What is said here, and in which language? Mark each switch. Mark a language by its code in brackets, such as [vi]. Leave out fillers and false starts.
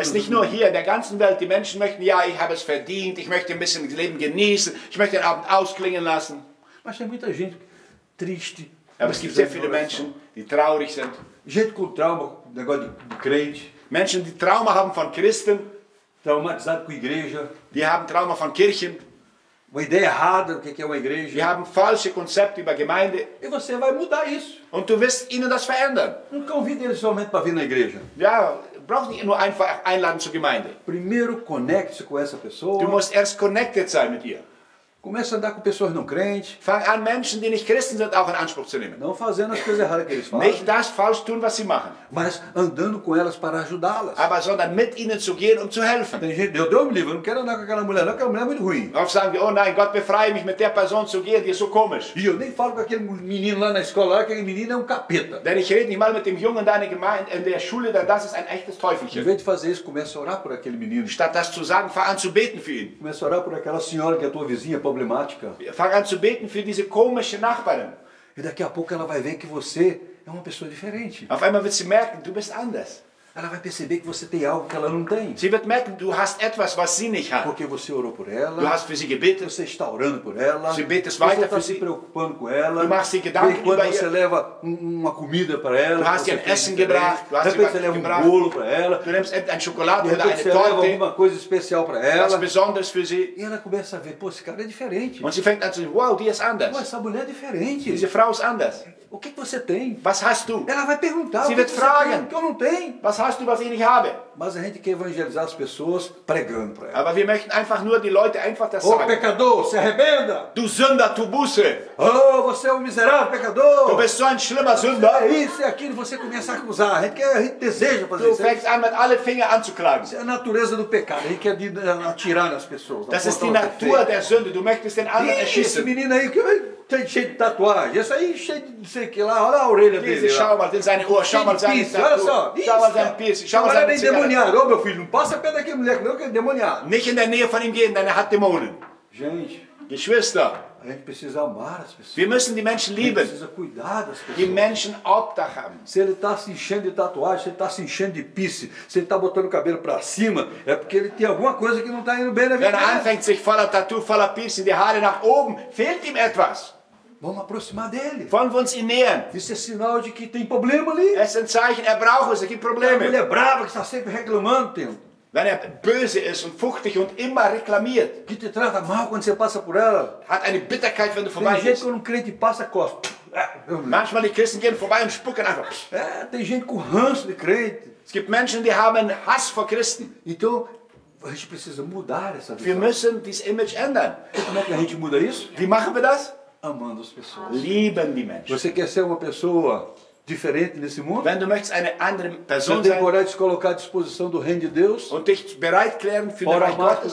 [de] Es ist nicht nur hier, in der ganzen Welt, die Menschen möchten, ja, ich habe es verdient, ich möchte ein bisschen das Leben genießen, ich möchte den Abend ausklingen lassen. [pt] Mas tem muita gente triste. [de] Aber es gibt sehr viele Menschen, die traurig sind. [pt] Gente com trauma, negócio de crente. [de] Menschen, die Trauma haben von Christen. [pt] Traumatizado com igreja. [de] Die haben Trauma von Kirchen. [pt] Uma ideia errada do que é uma igreja. [de] Wir haben falsche Konzepte über Gemeinde. [pt] E você vai mudar isso. [de] Und du wirst ihnen das verändern. [pt] Não convide eles somente para vir na igreja. [de] Ja, brauchst nicht nur einfach einladen zur Gemeinde. [pt] Primeiro conecte-se com essa pessoa. [de] Du musst erst connected sein mit ihr. [pt] Começa a andar com pessoas não crentes. [de] Fang an Menschen, die nicht Christen sind, auch in Anspruch zu nehmen. [pt] Não fazendo as coisas erradas que eles fazem. [de] Nicht das falsch tun, was sie machen. [pt] Mas andando com elas para ajudá-las. [de] Aber sondern mit ihnen zu gehen, um zu helfen. [pt] Tem gente, Deus me livre, eu não quero andar com aquela mulher, não, aquela mulher é muito ruim. [de] Oft sagen wir, oh nein, Gott befreie mich, mit der Person zu gehen, die ist so komisch. [pt] E eu nem falo com aquele menino lá na escola, aquele menino é um capeta. [de] Denn ich rede nicht mal mit dem Jungen da in der Gemeinde, in der Schule, denn das ist ein echtes Teufelchen. [pt] Em vez de fazer isso, começa a orar por aquele menino. [de] Statt das zu sagen, fang an zu beten für ihn. [pt] Começa a orar por aquela senhora que é tua vizinha. Problemática. [de] Fang an zu beten für diese komische Nachbarin. [pt] E daqui a pouco ela vai ver que você é uma pessoa diferente. [de] Auf einmal wird sie merken, du bist anders. [pt] Ela vai perceber que você tem algo que ela não tem. [de] Sie wird merken, du hast etwas, was sie nicht hat. [pt] Porque você orou por ela. [de] Du hast für sie gebetet. [pt] Você está orando por ela. [de] Sie betest weiter für sie. [pt] Você está se preocupando com ela. [de] Du machst sie Gedanken über ihr. [pt] Você leva uma comida para ela. [de] Du hast ihr Essen gebracht. Du hast sie um [pt] bolo para ela. [de] Du nimmst ein Schokolade oder eine Torte. [pt] Você leva alguma coisa especial para ela. [de] Was besonders für sie. [pt] E ela começa a ver, pô, esse cara é diferente. [de] Und sie fängt an zu sagen, wow, die ist anders. [pt] Pô, essa mulher é diferente. [de] Diese Frau ist anders. [pt] O que você tem? [de] Was hast du? [pt] Ela vai perguntar. [de] Sie wird fragen. [pt] Que eu não tenho. [de] Was hast du, was ich nicht habe? [pt] Mas a gente quer evangelizar as pessoas pregando para elas. [de] Aber wir möchten einfach nur die Leute einfach das sagen. [pt] Oh, pecador, se arrependa. [de] Du Sünder, tu Buße. [pt] Oh, você é um miserável pecador. [de] Du bist so ein schlimmer Sünder. [pt] É isso, é aquilo, você começa a acusar. A gente deseja fazer [de] du [pt] isso. [de] Du fängst an, mit alle Finger anzuklagen. [pt] Isso é a natureza do pecado. A gente quer atirar nas pessoas. [de] Das ist die Natur der Sünde. Du möchtest den anderen erschießen. [pt] Esse menino aí, que tem cheio de tatuagem. Esse aí, cheio de sei que lá. Olha a orelha dele. [de] Diz, schau mal, tem seine Uhr. Schau mal, schau mal, seine Piece. [pt] Demoniado, oh, meu filho, não passa perto daquele moleque, não, que é demoniado. [de] Nicht in der Nähe von ihm gehen, denn er hat Dämonen. [pt] Gente, [de] Geschwister, [pt] a gente precisa amar as pessoas. [de] Wir müssen die Menschen lieben. [pt] A gente precisa cuidar das pessoas. [de] Die Menschen Obdach haben. [pt] Se ele está se enchendo de tatuagem, se ele está se enchendo de pisse, se ele está botando o cabelo para cima, é porque ele tem alguma coisa que não está indo bem na vida. [de] Wenn er anfängt sich voller Tattoo, voller Pisse, die Haare nach oben, fehlt ihm etwas. [pt] Vamos aproximar dele. [de] Wollen wir uns ihn nähern? [pt] Isso é sinal de que tem problema ali. [de] Es ist ein Zeichen, er braucht es, es gibt Probleme. [pt] Ele é bravo, que está sempre reclamando, tem. [de] Wenn er böse ist und fuchtig und immer reklamiert. [pt] Que te trata mal quando você passa por ela. [de] Hat eine Bitterkeit, wenn du vorbei gehst. [pt] Tem gente, quando um crente passa, costa. [de] Manchmal die Christen gehen vorbei und spucken einfach. [pt] Tem gente com ranço de crente. [de] Es gibt Menschen, die haben Hass vor Christen. [pt] Então, a gente precisa mudar essa visão. [de] Wir müssen dieses Image ändern. [pt] Como é que a gente muda isso? [de] Wie machen wir das? [pt] Amando as pessoas. [de] Lieben die Menschen. [pt] Você quer ser uma pessoa diferente nesse mundo? [de] Wenn du möchtest eine andere Person sein. [pt] Você tem colocar à disposição do reino de Deus? [de] Und dich bereit klären für den Reich Gottes?